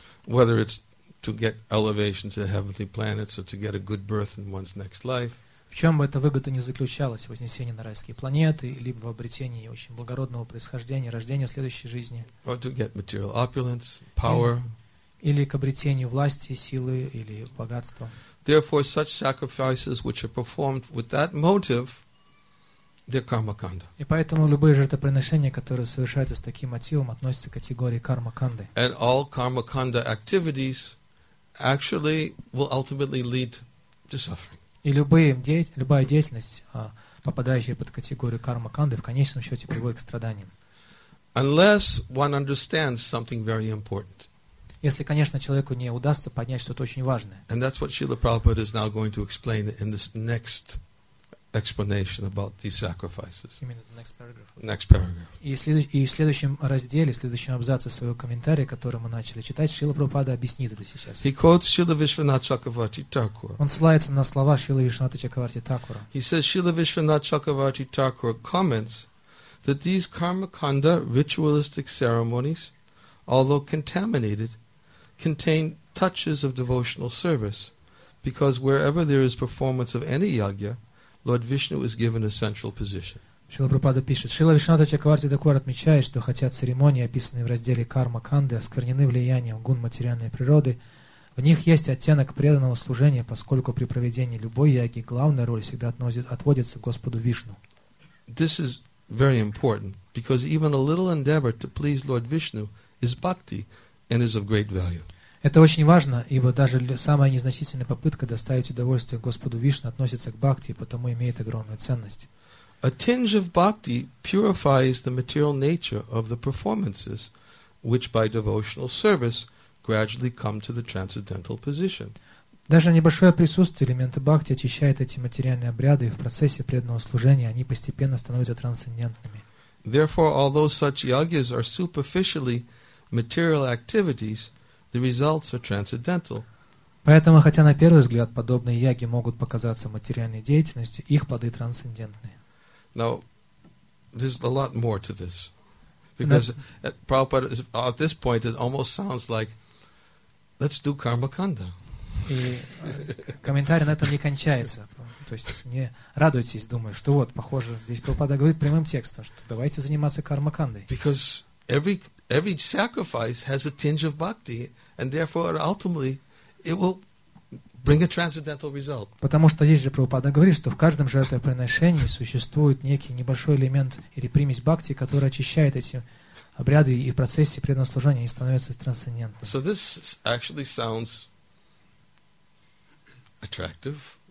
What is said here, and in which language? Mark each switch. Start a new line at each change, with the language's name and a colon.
English: Whether it's to get elevation to the heavenly planets or to get a good birth in one's next life.
Russian: В чем бы эта выгода ни заключалась, вознесение на райские планеты, либо в обретении очень благородного происхождения, рождения в следующей жизни.
English: Or to get material opulence, power.
Russian: Или к обретению власти, силы или богатства.
English: Therefore, such sacrifices which are performed with that motive, they're karmakanda.
Russian: И поэтому любые жертвоприношения, которые совершаются с таким мотивом, относятся к категории кармаканды.
English: And all karmakanda activities actually will ultimately lead to suffering.
Russian: И любая деятельность, попадающая под категорию кармаканды, в конечном счете приводит к страданиям.
English: Unless one understands something very important.
Russian: Если, конечно, человеку не удастся понять что-то очень важное.
English: And that's what Srila Prabhupada is now going to explain in this next explanation about these sacrifices. You mean the next paragraph? Next paragraph.
Russian: И в следующем разделе, в следующем абзаце своего комментария, который мы начали читать, Шрила Прабхупада объяснит это сейчас.
English: He quotes Srila Vishwanatha Chakravarti Thakura.
Russian: Он ссылается на слова Шрилы Вишванатха Чакраварти Такура.
English: He says Srila Vishwanatha Chakravarti Thakura comments that these karmakanda ritualistic ceremonies, although contaminated, contain touches of devotional service, because wherever there is performance of any yagya, Lord Vishnu is given a central position.
Russian: Шрила Прабхупада пишет, Шрила Вишванатха Чакраварти Такура отмечает, что хотя церемонии, описанные в разделе карма канды, осквернены влиянием гун материальной природы, в них есть оттенок преданного служения, поскольку при проведении любой яги главная роль всегда отводится Господу Вишну.
English: This is very important, because even a little endeavor to please Lord Vishnu is bhakti and is of great value.
Russian: Это очень важно, ибо даже самая незначительная попытка доставить удовольствие Господу Вишну относится к бхакти, потому имеет огромную ценность.
English: A tinge of bhakti purifies the material nature of the performances, which by devotional service gradually come to the transcendental position.
Russian: Даже небольшое присутствие элемента бхакти очищает эти материальные обряды, и в процессе преданного служения они постепенно становятся трансцендентными.
English: Therefore, although such yagyas are superficially material activities, the results are transcendental.
Russian: Поэтому, хотя на первый взгляд подобные яги могут показаться материальной деятельностью, их плоды трансцендентны.
English: Now, there's a lot more to this. Because Prabhupada, at this point, it almost sounds like Let's do karma kanda.
Russian: И комментарий на этом не кончается. То есть не радуйтесь, думая, что вот, похоже, здесь Прабхупада говорит прямым текстом, что давайте заниматься кармакандой.
English: Because every sacrifice has a tinge of bhakti, and therefore ultimately it will bring a transcendental result.
Russian: Потому что здесь же Прабхупада говорит, что в каждом жертвоприношении существует некий небольшой элемент или примесь бхакти, который очищает эти обряды и в процессе преданного служения они становятся трансцендентными.
English: So this actually sounds attractive.